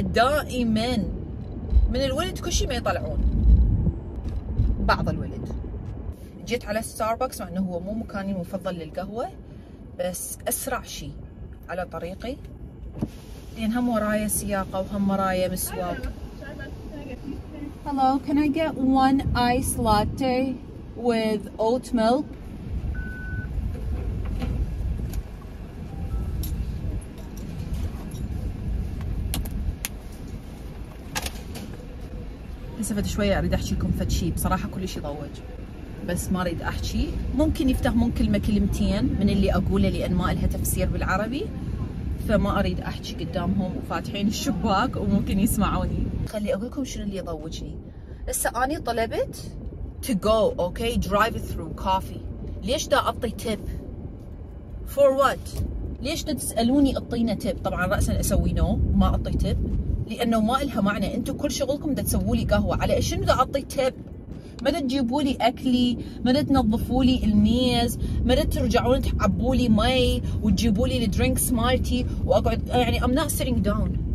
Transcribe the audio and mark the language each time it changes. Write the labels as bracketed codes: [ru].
[ar] دائما من الولد كل شيء ما يطلعون، بعض الولد. جيت على ستاربكس، مع انه هو مو مكاني المفضل للقهوه، بس اسرع شيء على طريقي، لأن هم ورايا سياقة وهم ورايا مسواق. [en] Hello, can I get one ice latte with oat milk? [ar] هسه فد شوية أريد أحكي لكم فد شيء. بصراحة كل شيء ضوج، بس ما أريد أحكي. ممكن يفتهمون كلمة كلمتين من اللي أقوله، لأن ما لها تفسير بالعربي، فما اريد احكي قدامهم وفاتحين الشباك وممكن يسمعوني. خلي اقول لكم شنو اللي يضوجني. هسه اني طلبت [en] to go okay drive through coffee. [ar] ليش دا اعطي تيب؟ [en] For what؟ [ar] ليش دا تسالوني اعطينا تيب؟ طبعا راسا اسوي نو، ما اعطي تيب، لانه ما لها معنى. انتم كل شغلكم دا تسووا لي قهوه، على شنو دا اعطي تيب؟ ما دا تجيبوا لي اكلي، ما دا تنظفوا لي الميز، ما دا ترجعون تعبوا لي مي وتجيبوا لي الدرينكس مالتي واقعد، يعني [en] I'm not sitting down.